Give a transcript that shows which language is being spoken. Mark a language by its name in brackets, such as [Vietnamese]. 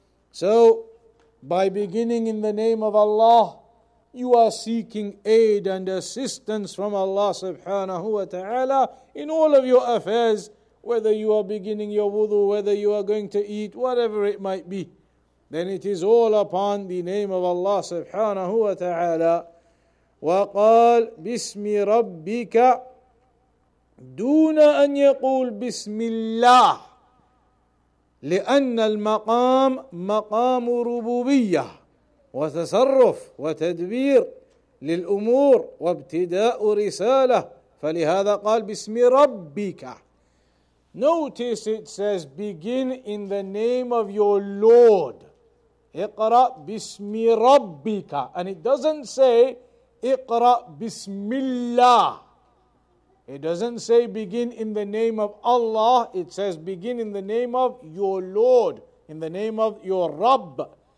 [English] So, by beginning in the name of Allah, you are seeking aid and assistance from Allah subhanahu wa ta'ala in all of your affairs, whether you are beginning your wudu, whether you are going to eat, whatever it might be. Then it is all upon the name of Allah subhanahu wa ta'ala. [Arabic] وقال بسم ربك دون أن يقول بسم الله لأن المقام مقام ربوبية وتصرف وتدبير للأمور وابتداء رسالة فلهذا قال بسم ربك. [English] Notice it says begin in the name of your Lord [Arabic] اقرأ بسم ربك. [English] And it doesn't say [Arabic] اقرأ بسم الله. [English] It doesn't say begin in the name of Allah. It says begin in the name of your Lord, in the name of your Rabb.